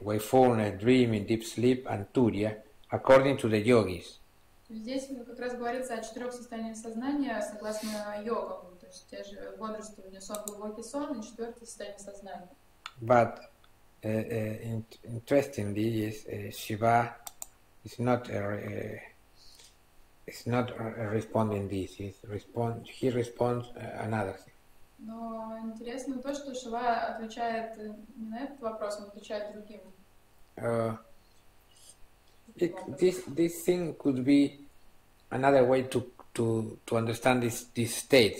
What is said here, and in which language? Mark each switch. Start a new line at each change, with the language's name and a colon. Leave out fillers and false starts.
English: Wakefulness, dreaming, deep sleep, and turiya, according to the yogis.
Russian: Здесь как раз говорится о четырех состояниях сознания, согласно йогам, то есть те же бодрствования, сон, глубокий сон, и четвертое состояние сознания.
English: But interestingly, yes, Shiva is not responding this. He responds another thing.
Russian: Но интересно то, что Шива отвечает не на этот вопрос, он отвечает другим.
English: This thing could be another way to understand this state.